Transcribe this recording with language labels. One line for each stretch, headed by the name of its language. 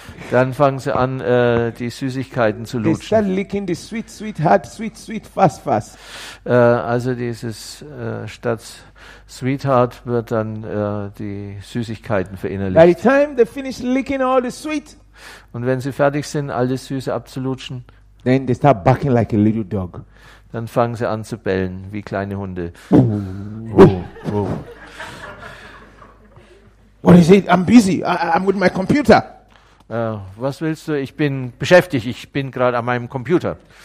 German: Dann fangen sie an, die Süßigkeiten zu lutschen.
English: They start licking the sweet, hard, sweet, fast.
German: Also dieses statt sweetheart wird dann die Süßigkeiten verinnerlicht.
English: By the time they finish licking all the sweet.
German: Und wenn sie fertig sind, alles Süße abzulutschen.
English: Then they start barking like a little dog.
German: Dann fangen sie an zu bellen, wie kleine Hunde.
English: What is it? I'm busy. I'm with my computer.
German: Was willst du? Ich bin beschäftigt. Ich bin gerade an meinem Computer.